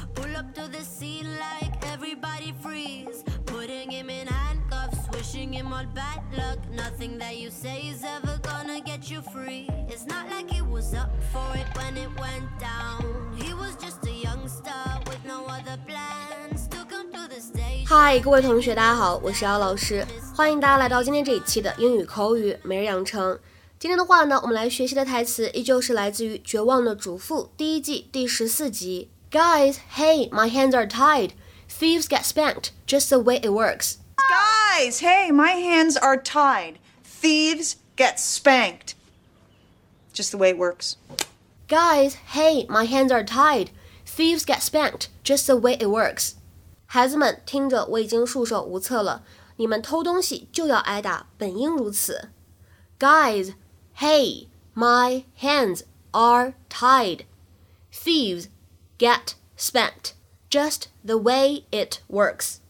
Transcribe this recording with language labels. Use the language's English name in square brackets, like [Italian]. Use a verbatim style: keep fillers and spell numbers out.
[English] Pull up to the scene like everybody freeze. Putting him in handcuffs, wishing him all bad luck. Nothing that you say is ever gonna get you free. It's not like he was up for it when it went down. He was just a youngster with no other plans. Took him to the station. [Chinese] 嗨，各位同学，大家好，我是姚老师，欢迎大家来到今天这一期的英语口语每日养成。今天的话呢，我们来学习的台词依旧是来自于《绝望的主妇》第一季第十四集。 [English] Guys, hey, my hands are tied. Thieves get spanked just the way it works. Guys, hey, my hands are tied. Thieves get spanked just the way it works. Guys, hey, my hands are tied. Thieves get spanked just the way it works. [Chinese] 孩子们，听着，我已经束手无策了。你们偷东西就要挨打，本应如此。 [English] Guys. Hey, my hands are tied. Thieves get spanked. Just the way it works.